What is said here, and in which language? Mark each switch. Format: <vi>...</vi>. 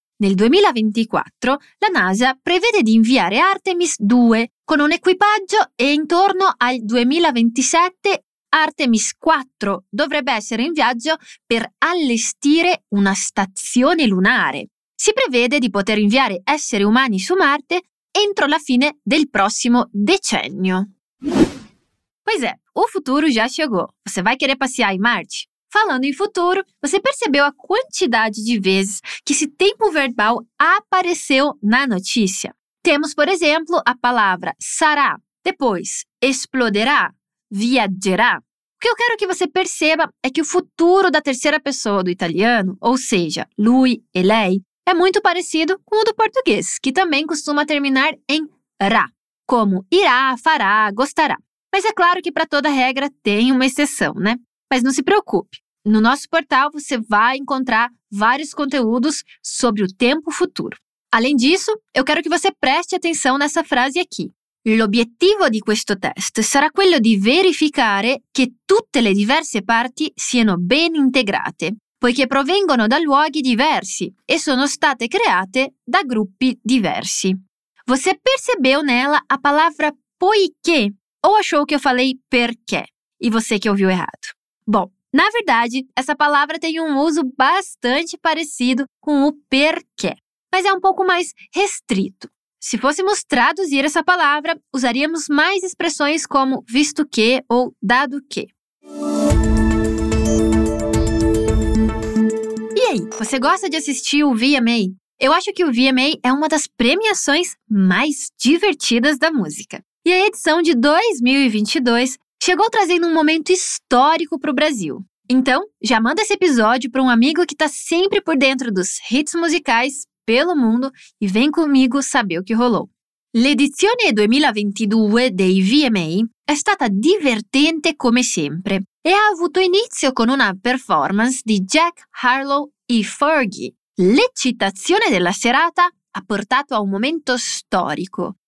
<it>Nel 2024 la NASA prevede di inviare Artemis 2 con un equipaggio e intorno al 2027 Artemis 4 dovrebbe essere in viaggio per allestire una stazione lunare. Si prevede di poter inviare esseri umani su Marte entro la fine del prossimo decennio.</it> <pt>Pois é, o futuro já chegou. Você vai querer passear em Marte? Falando em futuro, você percebeu a quantidade de vezes que esse tempo verbal apareceu na notícia? Temos, por exemplo, a palavra será, depois exploderá, viaggerà. O que eu quero que você perceba é que o futuro da terceira pessoa do italiano, ou seja, lui e lei, é muito parecido com o do português, que também costuma terminar em rá, como irá, fará, gostará. Mas é claro que para toda regra tem uma exceção, né? Mas não se preocupe, no nosso portal você vai encontrar vários conteúdos sobre o tempo futuro. Além disso, eu quero que você preste atenção nessa frase aqui.</pt> <it>L'obiettivo di questo test sarà quello di verificare che tutte le diverse parti siano ben integrate, poiché provengono da luoghi diversi e sono state create da gruppi diversi.</it> <pt>Você percebeu nela a palavra poiché? Ou achou que eu falei perché? E você que ouviu errado? Bom, na verdade, essa palavra tem um uso bastante parecido com o perché, mas é um pouco mais restrito. Se fôssemos traduzir essa palavra, usaríamos mais expressões como visto que ou dado que. E aí, você gosta de assistir o VMA? Eu acho que o VMA é uma das premiações mais divertidas da música. E a edição de 2022 chegou trazendo um momento histórico para o Brasil. Então, já manda esse episódio para um amigo que está sempre por dentro dos hits musicais pelo mundo e vem comigo saber o que rolou.</pt> <it>L'edizione 2022 dei VMA è stata divertente come sempre e ha avuto inizio con una performance di Jack Harlow e Fergie. L'eccitazione della serata ha portato a un momento storico.</it>